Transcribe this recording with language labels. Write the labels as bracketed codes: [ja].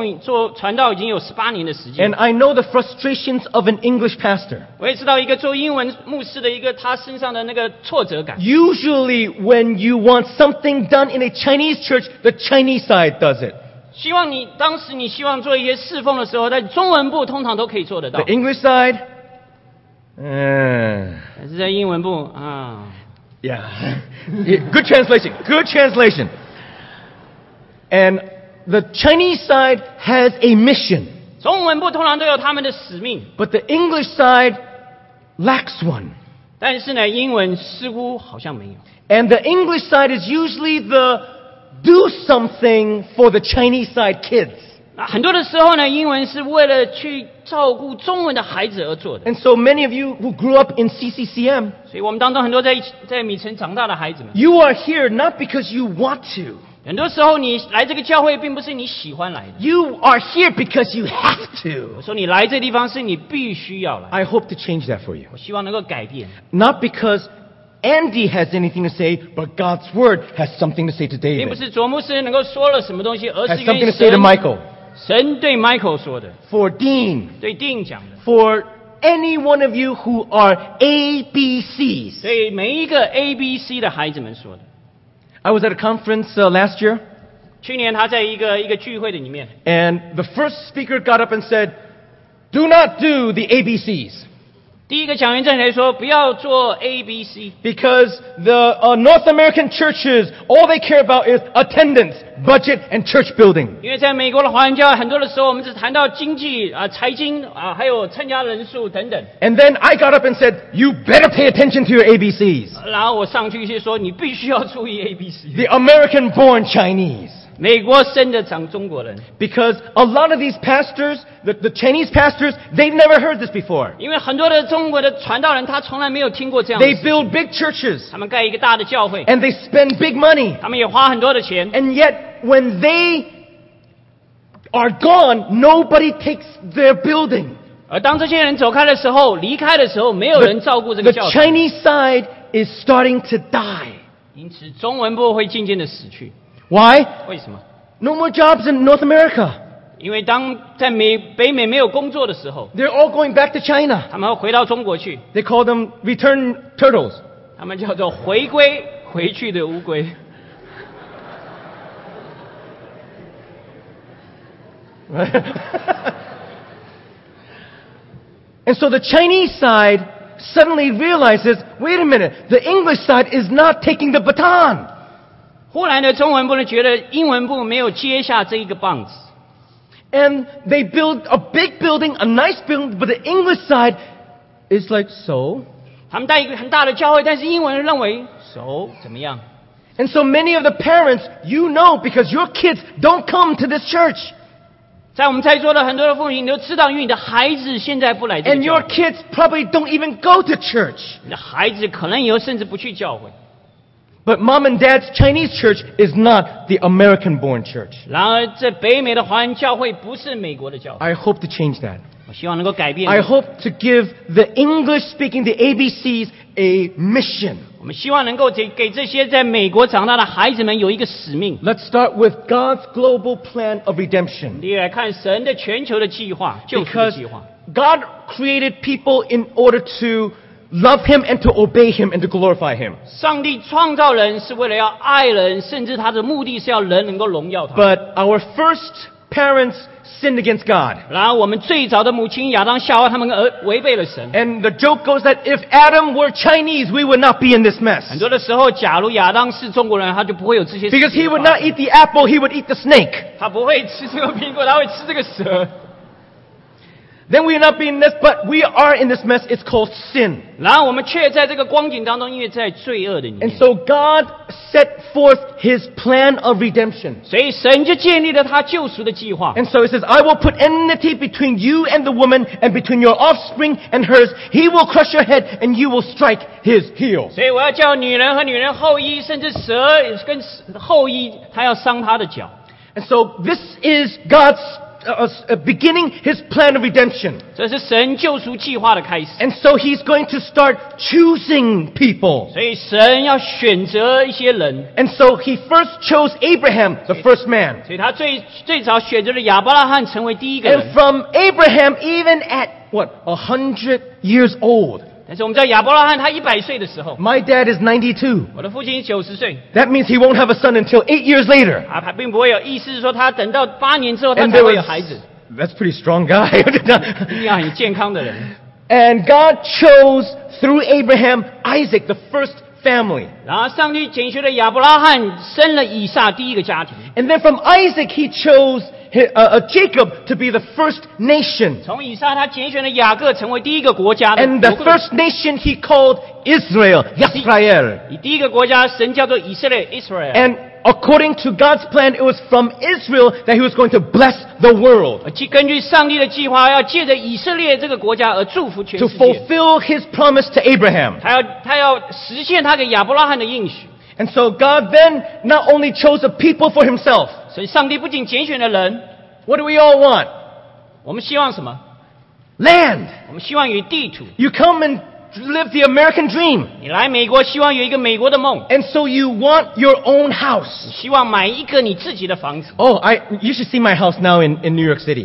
[zh] 因为卓牧师已经在英文部的侍奉做传道已经有18年的时间。 [en] And I know the frustrations of an English pastor. [zh] 我也知道一个做英文牧师的一个他身上的那个挫折感。 [en] Usually when you want something done in a Chinese church, the Chinese side does it. [zh] 希望你当时你希望做一些侍奉的时候，在中文部通常都可以做得到。 [en] The English side, [zh] 但是在英文部, [en] yeah. Good translation. Good translation. And the Chinese side has a mission. [zh] 中文部通常都有他们的使命。 [en] But the English side lacks one. [zh] 但是呢, 英文似乎好像没有。 [en] And the English side is usually the do something for the Chinese side kids. [zh] 很多的时候呢, 英文是为了去 照顾中文的孩子而做的。 [en] And so many of you who grew up in CCCM, [zh] 所以我们当中很多在米城长大的孩子们, [en] you are here not because you want to. [zh] 很多时候你来这个教会并不是你喜欢来的。 [en] You are here because you have to. [zh] 我说你来这地方是你必须要来的。 [en] I hope to change that for you. [zh] 我希望能够改变。 [en] Not because Andy has anything to say, but God's word has something to say to David. [zh] 并不是卓牧师能够说了什么东西, 而是愿意神, [en] has something to say to Michael. [zh] 神对Michael说的, [en] for Dean, [zh] 对Dean讲的, [en] for any one of you who are ABCs. [zh] 对每一个 ABC 的孩子们说的。 [en] I was at a conference last year. [zh] 去年他在一个聚会的里面。 [en] And the first speaker got up and said, "Do not do the ABCs." [zh] 第一个讲员站起来说，不要做 ABC. [en] Because the North American churches, all they care about is attendance, budget, and church building. [zh] 因为在美国的华人教会，很多的时候我们只谈到经济啊、财经啊，还有参加人数等等。 [en] And then I got up and said, "You better pay attention to your ABCs." [zh] 然后我上去就说，你必须要注意 ABC. [en] The American-born Chinese. [zh] 美国生的长中国人 [en] Because a lot of these pastors, the Chinese pastors, they've never heard this before. [zh] 因为很多的中国的传道人他从来没有听过这样的事情 [en] They build big churches. [zh] 他们盖一个大的教会 [en] And they spend big money. [zh] 他们也花很多的钱 [en] And yet, when they are gone, nobody takes their building. [zh] 而当这些人走开的时候离开的时候没有人照顾这个教堂 [en] The Chinese side is starting to die. [zh] 因此中文部会渐渐的死去 [en] Why? [zh] 为什么? [en] No more jobs in North America. [zh] 因为当在北美没有工作的时候 [en] They're all going back to China. [zh] 他们要回到中国去 [en] They call them return turtles. [zh] 他们叫做回归回去的乌龟 [en] And so the Chinese side suddenly realizes, wait a minute, the English side is not taking the baton. [zh] 忽然的中文部呢觉得英文部没有接下这一个棒子。 [en] And they build a big building, a nice building, but the English side is like, so? [zh] 他们带一个很大的教会但是英文认为 [en] so? [zh] 怎么样 [en] And so many of the parents, you know, because your kids don't come to this church. [zh] 在我们在座的很多的父母你都知道因为你的孩子现在不来这个教会。 [en] And your kids probably don't even go to church. [zh] 你的孩子可能以后甚至不去教会。 [en] But mom and dad's Chinese church is not the American-born church. [zh] 然而这北美的华人教会不是美国的教会。 [en] I hope to change that. [zh] 我希望能够改变。 [en] I hope to give the English-speaking, the ABCs, a mission. [zh] 我们希望能够给这些在美国长大的孩子们有一个使命。 [en] Let's start with God's global plan of redemption. [zh] 你来看神的全球的计划，救赎的计划。 [en] Because God created people in order to... Love him and to obey him and to glorify him. [zh] 上帝创造人是为了要爱人，甚至他的目的是要人能够荣耀他。 [en] But our first parents sinned against God. [zh] 然后我们最早的母亲亚当夏娃他们违背了神。 [en] And the joke goes that if Adam were Chinese, we would not be in this mess. [zh] 很多的时候，假如亚当是中国人，他就不会有这些事情。 [en] Because he would not eat the apple, he would eat the snake. [zh] 他不会吃这个苹果，他会吃这个蛇。 [en] Then we are not being this, but we are in this mess. It's called sin. [zh] 然后我们却在这个光景当中，因为在罪恶的里面。 [en] And so God set forth His plan of redemption. [zh] 所以神就建立了他救赎的计划。 [en] And so it says, "I will put enmity between you and the woman, and between your offspring and hers. He will crush your head, and you will strike his heel." [zh] 所以我要叫女人和女人后裔，甚至蛇跟后裔，他要伤他的脚。 [en] And so this is God's. Beginning his plan of redemption. [zh] 这是神救赎计划的开始。 [en] And so he's going to start choosing people. [zh] 所以神要选择一些人。 [en] And so he first chose Abraham, the first man. [zh] 所以他最早选择了亚伯拉罕成为第一个人。 [en] And from Abraham, even at, what, 100 years old. [zh] 但是我们知道亚伯拉罕他100岁的时候。 [en] My dad is 92. [zh] 我的父亲90岁。 [en] That means he won't have a son until 8 years later. [zh] 他并不会有意思说他等到8年之后他才会有孩子。 [en] That's pretty strong guy. [zh] 要很健康的人。 [en] And God chose through Abraham Isaac, the first family. [zh] 然后上帝拣选了亚伯拉罕生了以撒第一个家庭。 [en] And then from Isaac he chose Jacob to be the first nation. [zh] 从以撒他拣选了雅各成为第一个国家的。 [en] And the first nation he called Israel, Yisrael. [zh] 第一个国家神叫做以色列 Israel. [en] And according to God's plan, it was from Israel that he was going to bless the world. [zh] 根据上帝的计划，要借着以色列这个国家而祝福全世界。 [en] To fulfill his promise to Abraham. [zh] 他要实现他给亚伯拉罕的应许。 [en] And so God then not only chose a people for himself. [zh] 所以上帝不仅拣选了人。 [en] What do we all want? [zh] 我们希望什么? [en] Land. [zh] 我们希望有地图。 [en] You come and live the American dream. [zh] 你来美国希望有一个美国的梦. [en] And so you want your own house. [zh] 希望买一个你自己的房子. [en] Oh, you should see my house now in New York City.